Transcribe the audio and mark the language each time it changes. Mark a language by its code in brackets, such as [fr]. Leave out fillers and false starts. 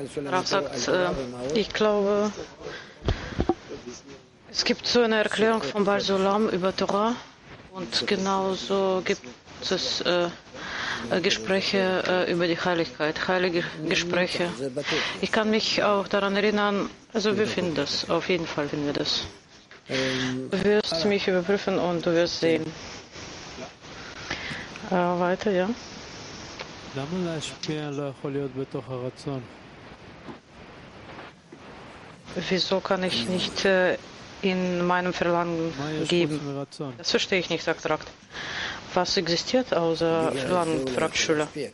[de] Rav sagt, ich glaube, es gibt so eine Erklärung von Baal Sulam über Torah und genauso gibt es Gespräche über die Heiligkeit, heilige Gespräche. Ich kann mich auch daran erinnern, also wir finden das, auf jeden Fall finden wir das. Du wirst mich überprüfen und du wirst sehen. Weiter, ja. [he] למה להשפיע לא יכול להיות בתוך הרצון? [de] Wieso kann ich nicht in meinem Verlangen geben? Das verstehe ich nicht, sagt Rakt. Was existiert außer Verlangen, fragt Schüler.